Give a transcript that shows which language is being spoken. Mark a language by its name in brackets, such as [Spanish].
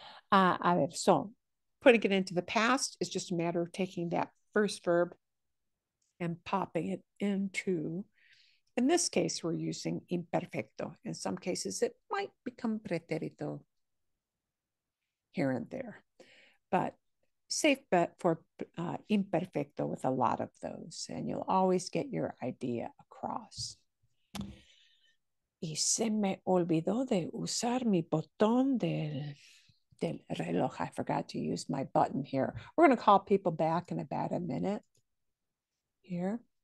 [Spanish] A ver, [English] so putting it into the past is just a matter of taking that first verb and popping it into, in this case, we're using imperfecto. In some cases, it might become pretérito here and there. But safe bet for imperfecto with a lot of those, and you'll always get your idea across. [Spanish] Y se me olvidó de usar mi botón del reloj. [English] I forgot to use my button here. We're going to call people back in about a minute here.